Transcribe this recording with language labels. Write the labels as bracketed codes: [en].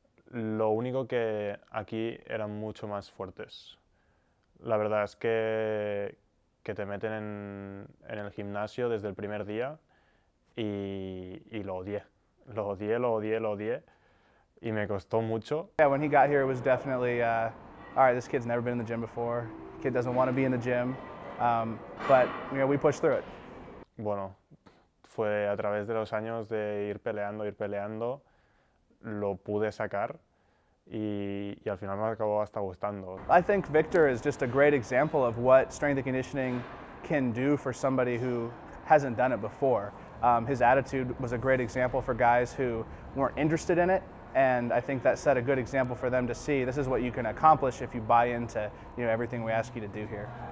[es] Lo único que aquí eran mucho más fuertes. La verdad es que te meten en el gimnasio desde el primer día y lo odié. Lo odié, lo odié, lo odié y me costó mucho. [en] Yeah, when he got here it was definitely all right, this kid's never been in the gym before. Kid doesn't want to be in the gym. But you know, we push through it. [es] Bueno, fue a través de los años de ir peleando, lo pude sacar. Y al final me acabó hasta gustando. [en] I think Victor is just a great example of what strength and conditioning can do for somebody who hasn't done it before. His attitude was a great example for guys who weren't interested in it, and I think that set a good example for them to see this is what you can accomplish if you buy into, you know, everything we ask you to do here.